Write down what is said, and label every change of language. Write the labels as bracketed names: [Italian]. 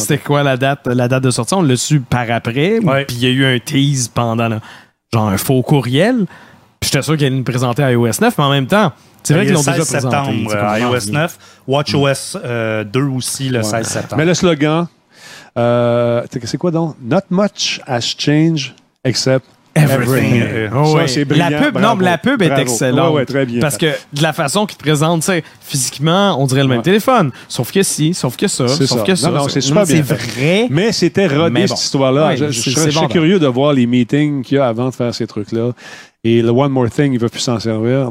[French] c'était quoi la date de sortie. On l'a su par après, puis il y a eu un tease pendant genre un faux courriel. Puis j'étais sûr qu'elle allait me présenter à iOS 9, mais en même temps, c'est vrai qu'ils l'ont déjà présenté. Le 16 septembre à iOS 9, WatchOS 2 aussi le 16 septembre. Mais le slogan, c'est quoi donc? [English] Not much has changed except... Everything. [French] Ça, c'est brillant. La pub, bravo, est excellente. Ouais, très bien. Parce que de la façon qu'ils te présentent, tu sais, physiquement, on dirait le même téléphone. Sauf que si, sauf que ça, c'est sauf ça. Que non, ça. Non, c'est super bien. C'est vrai. Mais c'était rodé, mais bon. Cette histoire-là. Ouais, je suis curieux de voir les meetings qu'il y a avant de faire ces trucs-là. Et le One More Thing, il ne veut plus s'en servir.